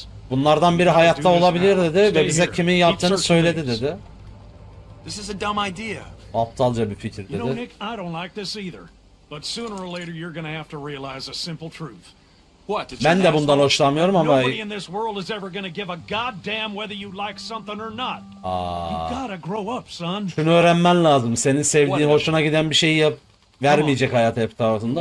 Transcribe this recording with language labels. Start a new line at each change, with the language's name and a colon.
Turkish: Bunlardan biri hayatta olabilir dedi ve bize kimin yaptığını söyledi dedi.
English: This is a dumb idea.
Turkish: Aptalca bir fikir dedi.
English: You know, Nick, I don't like this either. But sooner or later you're gonna have to realize a simple truth. What?
Turkish: Ben de bundan hoşlanmıyorum ama.
English: Nobody in this world is ever gonna give a goddamn whether you like something or not. You gotta grow up, son.
Turkish: Şunu öğrenmen lazım. Senin sevdiğin, hoşuna giden bir şeyi yap, vermeyecek hayat hep tarzında.